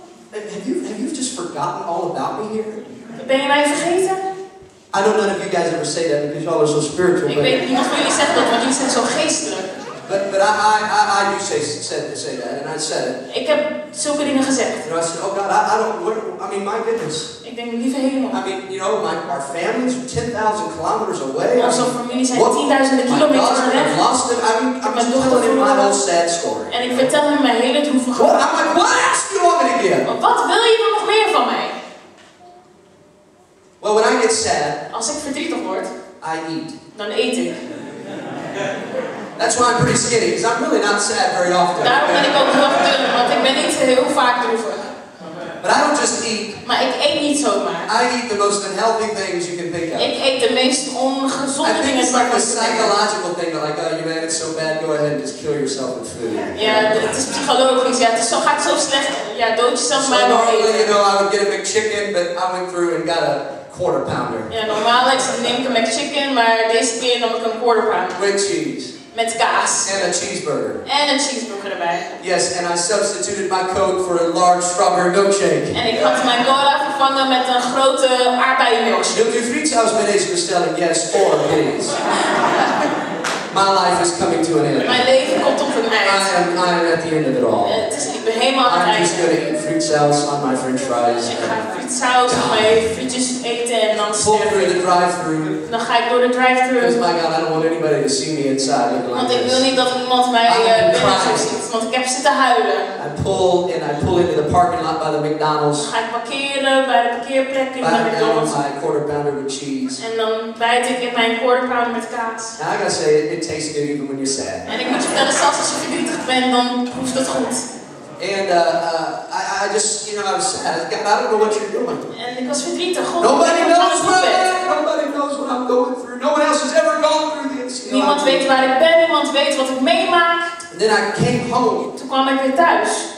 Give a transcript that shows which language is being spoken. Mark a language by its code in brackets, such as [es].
[en] Have you just forgotten all about me here? [nl] Ben je mij vergeten? [en] I don't know if you guys ever say that because y'all are so spiritual. [nl] Ik weet niemand van jullie zegt dat, want jullie zijn zo geestelijk. [en] But I do say that, and I said it. [nl] Ik heb zulke dingen gezegd. [en] You know, I said, oh God, my goodness. [nl] Ik denk, lieve hemel. [en] I mean, you know, our families are 10,000 kilometers away. [nl] Onze familie zijn 10,000 kilometers weg. [en] My daughter lost it. I'm just telling him my whole sad story. [nl] En ik vertel hem mijn hele droevige verhaal. [en] I'm like, what else do you want me to give? [nl] Wat wil je nog meer van mij? [en] Well, when I get sad. [nl] Als ik verdrietig word. [en] I eat. [nl] Dan eet ik. [en] That's why I'm pretty skinny, because I'm really not sad very often. [nl] Daarom ben ik ook heel dun, want ik ben niet heel vaak droevig. [en] But I don't just eat. [nl] Maar ik eet niet zomaar. [en] I eat the most unhealthy things you can think of. [nl] Ik eet de meest ongezonde dingen. [en] I think it's like a psychological thing, like, oh, you had it so bad, go ahead and just kill yourself with food. [nl] Ja, het is psychologisch. Ja, het gaat zo slecht. Ja, dood jezelf maar. [en] So normally, you know, I would get a McChicken, but I went through and got a quarter pounder. [nl] Ja, normaal neem ik een McChicken, maar deze keer nam ik een quarter pounder. [en] With cheese. [nl] Met kaas. [en] And a cheeseburger. [nl] En een cheeseburger erbij. [en] Yes, and I substituted my Coke for a large strawberry milkshake. [nl] En ik had mijn cola vervangen met een grote aardbeienmilkshake. Wil je 3 times bij deze bestelling? [en] Yes, 4, please. My life is coming to an end. [nl] Mijn leven komt op een eind. [en] I am at the end of it all. [nl] Ik ben helemaal aan het einde. [en] I'm just going to eat fruit sauce on my french fries. [nl] Ik ga fruit sauce op mijn frietjes eten en dan sterven. [en] Pull through the drive-thru. [nl] Dan ga ik door de drive-thru. [en] Because my God, I don't want anybody to see me inside looking like this. [nl] Want ik wil niet dat iemand mij binnen ziet, want ik heb zitten huilen. [en] I pull into the parking lot by the McDonald's. [nl] Ga ik parkeren bij de parkeerplek in de McDonald's. [en] Bite down my quarter pounder with cheese. [nl] En dan bijt ik in mijn quarter pounder met kaas. [en] Now I gotta say, it tastes good even when you're sad. [nl] En ik moet je vertellen, zelfs als je verdrietig bent, dan proeft het goed. [en] And I just, you know, I was sad. I don't know what you're doing. [nl] En ik was verdrietig. [en] Nobody knows what I'm going through. No one else has ever. [nl] weet waar ik ben, niemand weet wat ik meemaak. [en] And then I came home. [nl] Toen kwam ik weer thuis.